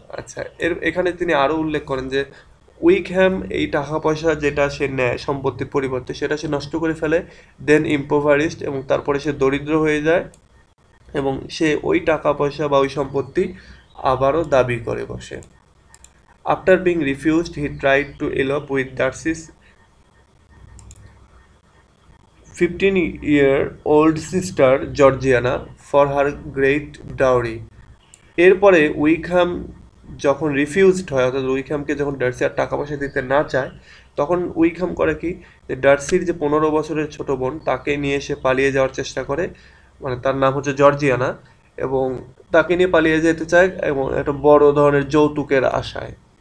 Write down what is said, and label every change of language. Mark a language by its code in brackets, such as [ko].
[bn] আচ্ছা এর এখানে তিনি আরও উল্লেখ করেন যে উইকহ্যাম এই টাকা পয়সা যেটা সে নেয় সম্পত্তির পরিবর্তে সেটা সে নষ্ট করে ফেলে, [en] then impoverished, [bn] এবং তারপরে সে দরিদ্র হয়ে যায় এবং সে ওই টাকা পয়সা বা ওই সম্পত্তি আবারও দাবি করে বসে। [en] After being refused, he tried to elope with Darcy's 15-year-old sister Georgiana for her great dowry. [bn] এরপরে উইকহাম যখন রিফিউজড হয়, অর্থাৎ উইকহামকে যখন ডার্সি আর টাকা পয়সা দিতে না চায়, তখন উইকহাম করে কি, যে ডার্সির যে 15 বছরের ছোট বোন তাকে নিয়ে সে পালিয়ে যাওয়ার চেষ্টা করে, মানে তার নাম হচ্ছে জর্জিয়ানা, এবং তাকে নিয়ে পালিয়ে যেতে চায় এবং একটা বড় ধরনের যৌতুকের আশায়।